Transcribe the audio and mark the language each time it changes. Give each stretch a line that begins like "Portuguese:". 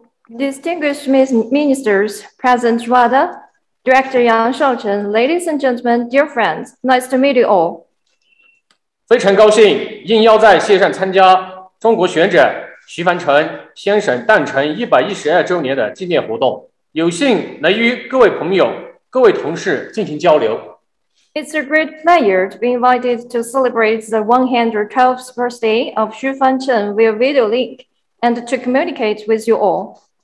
English: Distinguished ministers, President Radha, Director Yang Shaocheng, ladies and gentlemen, dear friends, nice to meet you all.
Chinese: 非常高兴应邀在线上参加中国学者徐帆成先生诞辰112周年的纪念活动，有幸能与各位朋友、各位同事进行交流。
English: It's a great pleasure to be invited to celebrate the 112th birthday of XuFancheng via video link and to communicate with you all.